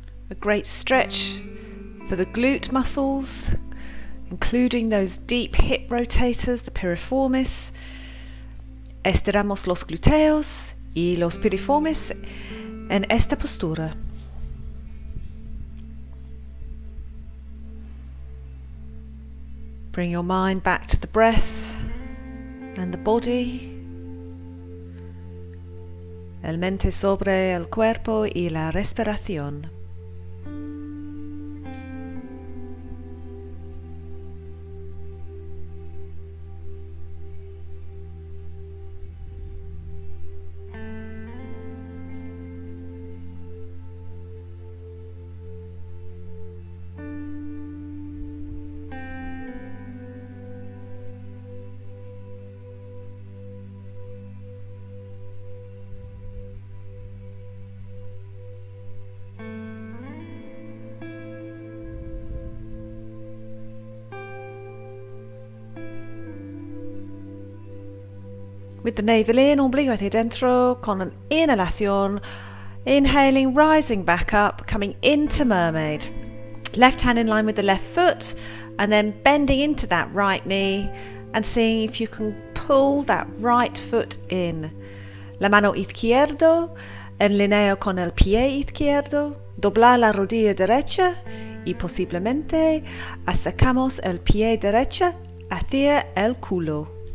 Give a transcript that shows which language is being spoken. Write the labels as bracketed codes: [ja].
[en] A great stretch for the glute muscles, including those deep hip rotators, the piriformis. [es] Estiramos los glúteos y los piriformes en esta postura. [en] Bring your mind back to the breath and the body. [es] El mente sobre el cuerpo y la respiración. [en] With the navel in, [es] ombligo hacia dentro, con an inhalación, [en] inhaling, rising back up, coming into mermaid. Left hand in line with the left foot, and then bending into that right knee, and seeing if you can pull that right foot in. [es] La mano izquierdo, en lineo con el pie izquierdo, doblar la rodilla derecha, y posiblemente acercamos el pie derecha hacia el culo.